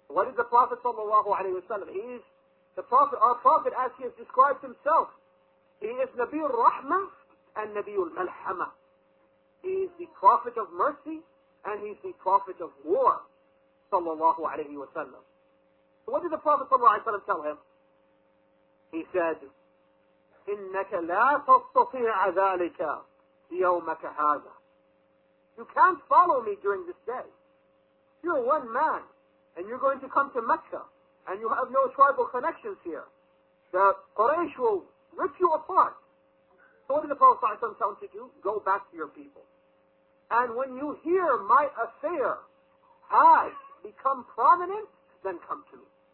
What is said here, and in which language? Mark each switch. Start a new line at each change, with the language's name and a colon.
English: What is the Prophet sallallahu alayhi wa sallam? He is the Prophet, our Prophet, as he has described himself. He is Nabiul Rahmah and Nabiul Malhama. He is the Prophet of mercy and he is the Prophet of war, sallallahu alayhi wa sallam. So what did the Prophet sallallahu alayhi wa sallam tell him? He said,
Arabic: إِنَّكَ لَا تَسْتَطِيعَ ذَلِكَ يَوْمَكَ هَذَا.
English: You can't follow me during this day. You're one man, and you're going to come to Mecca, and you have no tribal connections here. The Quraysh will rip you apart. So what did the Prophet tell him to do? Go back to your people. And when you hear my affair has become prominent, then come to me.